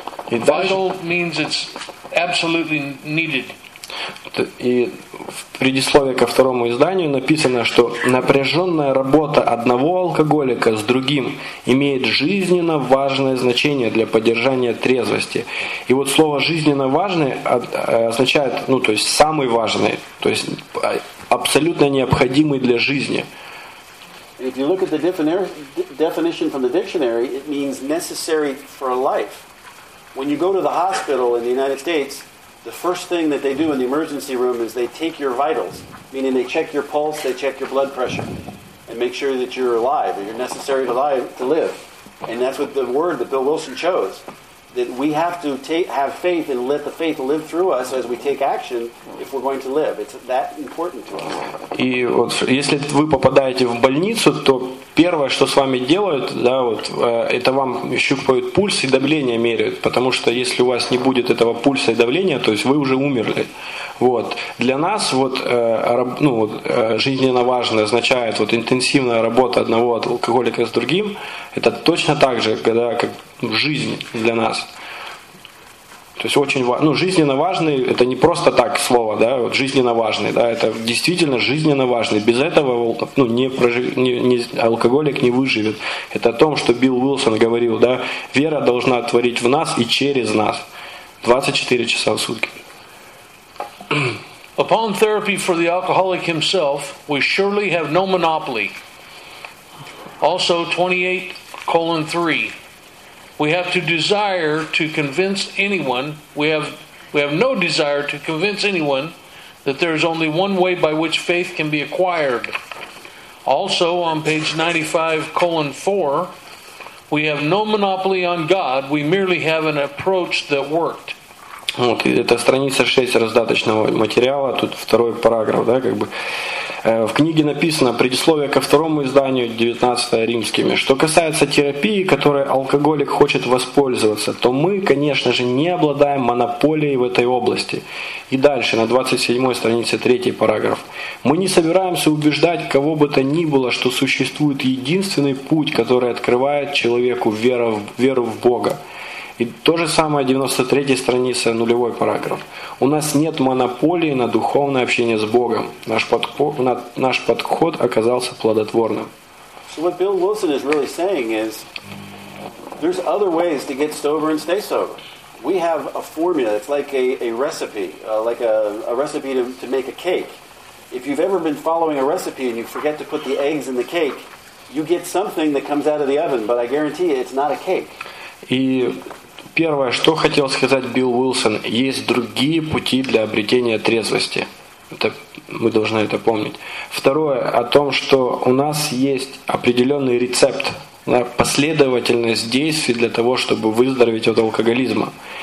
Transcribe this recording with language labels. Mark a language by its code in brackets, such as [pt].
[en] Vital means it's absolutely needed. [ru] И в предисловии ко второму изданию написано, что напряженная работа одного алкоголика с другим имеет жизненно важное значение для поддержания трезвости. И вот слово «жизненно важное» означает, ну, то есть самый важный, то есть абсолютно необходимый для жизни. [en] If you look at the definition from the dictionary, it means necessary for life. When you go to the hospital in the United States, the first thing that they do in the emergency room is they take your vitals, meaning they check your pulse, they check your blood pressure, and make sure that you're alive, that you're necessary to live. And that's what the word that Bill Wilson chose, that we have to have faith and let the faith live through us as we take action if we're going to live. It's that important to us. [ru] И вот если вы попадаете в больницу, то первое, что с вами делают, да, вот, это вам щупают пульс и давление меряют, потому что если у вас не будет этого пульса и давления, то есть вы уже умерли. Вот. Для нас вот, ну, вот, жизненно важно означает вот, интенсивная работа одного алкоголика с другим. Это точно так же, когда, как жизнь для нас. То есть очень важно. Ну, жизненно важный, это не просто так слово, да, вот жизненно важный, да, это действительно жизненно важный. Без этого, ну, алкоголик не выживет. Это о том, что Билл Уилсон говорил, да, вера должна творить в нас и через нас 24 часа в сутки. [en] Upon therapy for the alcoholic himself, we surely have no monopoly. Also 28:3. We have to desire to convince anyone. We have no desire to convince anyone that there is only one way by which faith can be acquired. Also, on page 95:4, we have no monopoly on God. We merely have an approach that worked. [ru] Вот, это страница 6 раздаточного материала, тут второй параграф, да, как бы. В книге написано предисловие ко второму изданию 19 римскими. Что касается терапии, которой алкоголик хочет воспользоваться, то мы, конечно же, не обладаем монополией в этой области. И дальше, на 27 странице, третий параграф. Мы не собираемся убеждать кого бы то ни было, что существует единственный путь, который открывает человеку веру в Бога. И то же самое 93 страница, нулевой параграф. У нас нет монополии на духовное общение с Богом. Наш подход оказался плодотворным. [en] So what Bill Wilson is really saying is there's other ways to get sober and stay sober. We have a formula. It's like a recipe to make a cake. If you've ever been following a recipe and you forget to put the eggs in the cake, you get something that comes out of the oven, but I guarantee you, it's not a cake. [ru] И первое, что хотел сказать Билл Уилсон, есть другие пути для обретения трезвости. Это, мы должны это помнить. Второе, о том, что у нас есть определенный рецепт, последовательность действий для того, чтобы выздороветь от алкоголизма.